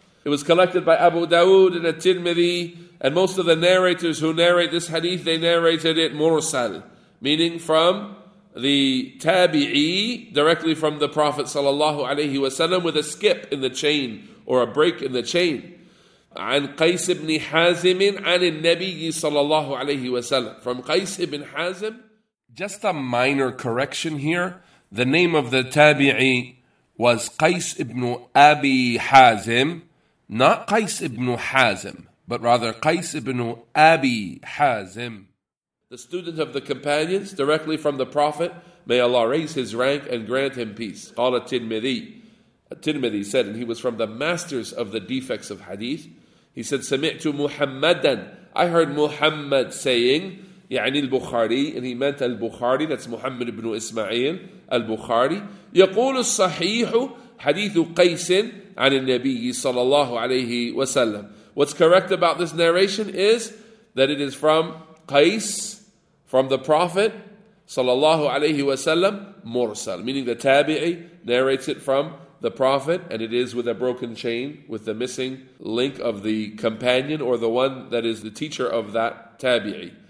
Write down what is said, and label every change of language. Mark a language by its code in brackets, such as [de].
[en] It was collected by Abu Dawood and al-Tirmidhi, and most of the narrators who narrate this hadith, they narrated it mursal, meaning from the tabi'i, directly from the Prophet sallallahu alayhi wasallam, with a skip in the chain or a break in the chain. [ar] عن قيس بن حازم عن النبي صلى الله عليه وسلم. [en] From Qays ibn Hazim. Just a minor correction here. The name of the tabi'i was Qays ibn Abi Hazim. Not Qays ibn Hazim, but rather Qays ibn Abi Hazim. The student of the companions, directly from the Prophet, may Allah raise his rank and grant him peace. [ar] قال التلمذي. [en] التلمذي said, and he was from the masters of the defects of hadith. He said, [ar] سَمِعْتُ مُحَمَّدًا. [en] I heard Muhammad saying, [ar] يعني البخاري, [en] and he meant البخاري, that's Muhammad ibn Ismail, البخاري. [ar] يقول الصحيح حديث قيس عن النبي صلى الله عليه وسلم. [en] What's correct about this narration is that it is from Qays, from the Prophet [ar] صلى الله عليه وسلم, [en] مرسل, meaning the tabi'i narrates it from the Prophet, and it is with a broken chain, with the missing link of the companion, or the one that is the teacher of that tabi'i.